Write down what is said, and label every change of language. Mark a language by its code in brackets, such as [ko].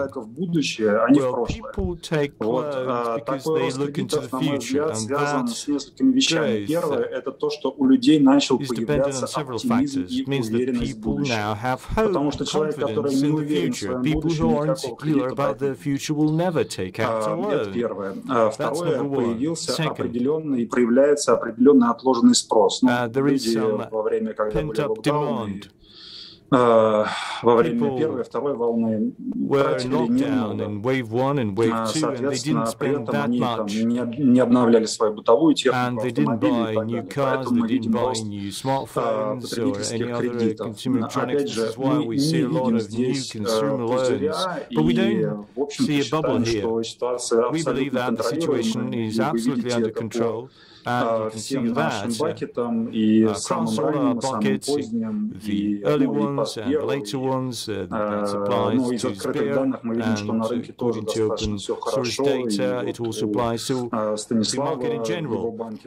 [en] Well, people take loans because they look into the future, and that growth is dependent on several factors. It means that people now have hope, confidence in the future. People who aren't secure about the future will never take out. [ru] Это первое. Второе, появился определенный, проявляется определенный отложенный спрос. Ну, люди во время, когда были локдауны, во время первой, второй волны тратили немного. Соответственно, при этом они не обновляли свою бытовую технику, автомобили и так далее. Поэтому мы видим рост потребительских кредитов. Опять же, мы не видим здесь пузыря и, в общем-то, считаем, что ситуация абсолютно под контролем. [en] And you can see that across all our buckets, the early ones and the later ones, that applies to Sber, and according to open source data, it also applies to the market in general.